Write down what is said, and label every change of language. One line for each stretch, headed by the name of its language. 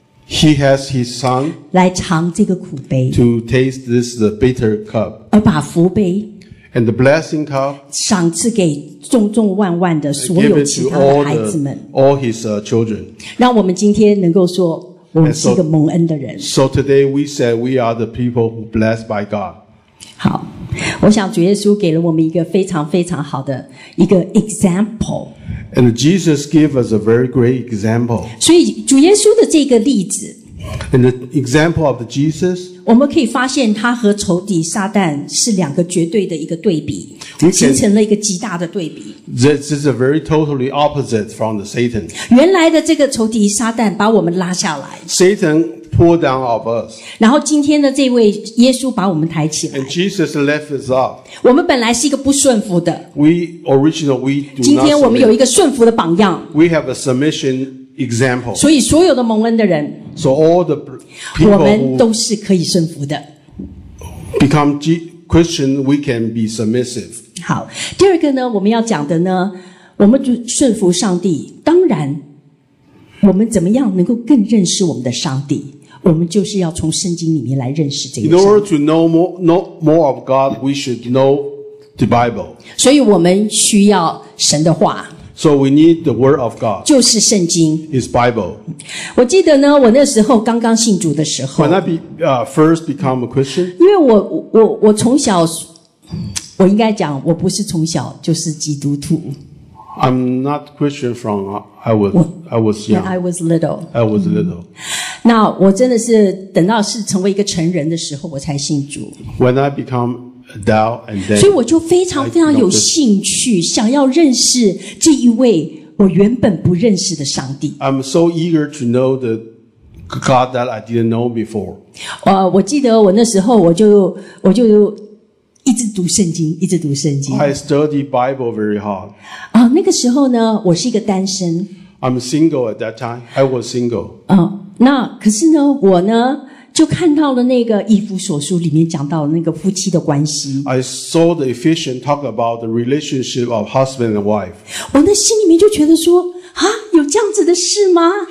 English: He has his son
Chinese: 来尝这个苦杯
English: to taste this the bitter cup
Chinese: 而把福杯
English: and the blessing cup
Chinese: 赏赐给众众万万的所有其他的孩子们
English: all his children
Chinese: 让我们今天能够说我们是一个蒙恩的人
English: so today we said we are the people who blessed by God
Chinese: 好我想主耶稣给了我们一个非常非常好的一个 example
English: And Jesus gave us a very great example.
Chinese: 所以主耶稣的这个例子
English: ，and the example of Jesus，
Chinese: 我们可以发现他和仇敌撒旦是两个绝对的一个对比，
English: can,
Chinese: 形成了一个极大的对比。
English: This is a very totally opposite from the Satan.
Chinese: 原来的这个仇敌撒旦把我们拉下来
English: ，Satan pulled down of us.
Chinese: 然后今天的这位耶稣把我们抬起来
English: ，and Jesus lifted us up.
Chinese: 我们本来是一个不顺服的
English: ，we originally we do not submit.
Chinese: 今天我们有一个顺服的榜样
English: ，we have a submission example.
Chinese: 所以所有的蒙恩的人
English: ，so all the people
Chinese: 我们都是可以顺服的
English: ，become Christian we can be submissive.
Chinese: 好，第二个呢，我们要讲的呢，我们就顺服上帝，当然。我们怎么样能够更认识我们的上帝？我们就是要从圣经里面来认识这个神。
English: In order to know more of God, we should know the Bible.
Chinese: 所以我们需要神的话。
English: So we need the word of God.
Chinese: 就是圣经。
English: Is Bible.
Chinese: 我记得呢，我那时候刚刚信主的时候。
English: When I first become a Christian.
Chinese: 因为我从小，我应该讲，我不是从小就是基督徒。
English: I'm not Christian from I was young. When I was little. I was little.
Chinese: 那我真的是等到是成为一个成人的时候，我才信主。
English: When I become adult and then.
Chinese: 所以我就非常非常有兴趣，想要认识这一位我原本不认识的上帝。
English: I'm so eager to know the God that I didn't know before.
Chinese: 我记得我那时候我就一直读圣经，一直读圣经。
English: I study Bible very hard.
Chinese: 那个时候呢，我是一个单身。
English: I'm single at that time. I was single.
Chinese: 那可是呢，我呢就看到了那个以弗所书里面讲到那个夫妻的关系。
English: I saw the Ephesians talk about the relationship of husband and wife.
Chinese: 我那心里面就觉得说，啊，有这样子的事吗